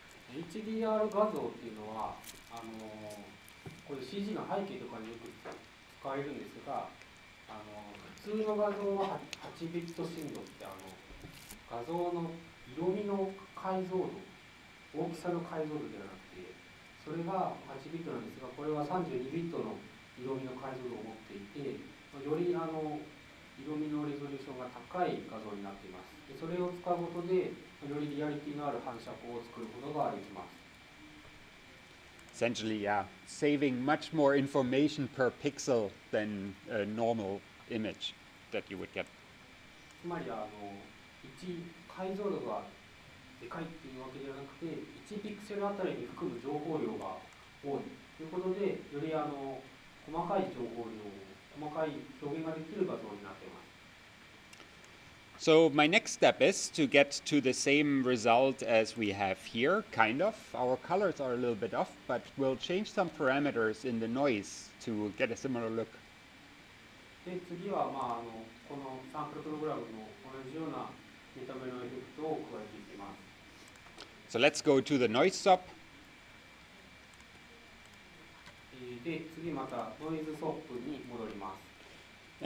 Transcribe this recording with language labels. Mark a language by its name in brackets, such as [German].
[Japanese] HDR 画像っていうのは、これ CG の背景とかによく使えるんですが、普通の画像は8ビット振動って、画像の色味の解像度、大きさの解像度ではなくて、それが8ビットなんですが、これは32ビットの色味の解像度を持っていて、より色味のレゾリューションが高い画像になっています。で、それを使うことで、よりリアリティのある反射光を作ることができます。 [English] Essentially, yeah, saving much more information per pixel than a normal image that you would get. [Japanese] つまり、解像度がでかいっていうわけではなくて、1ピクセルあたりに含む情報量が多いということで、より細かい情報量、細かい表現ができる画像になっています。 [English] So my next step is to get to the same result as we have here, kind of. Our colors are a little bit off, but we'll change some parameters in the noise to get a similar look. [Japanese] で、次は、このサンプルプログラムの同じような見た目のエフェクトを加えていきます。 [English] So let's go to the noise SOP. [Japanese] で、次またノイズ SOP に戻ります。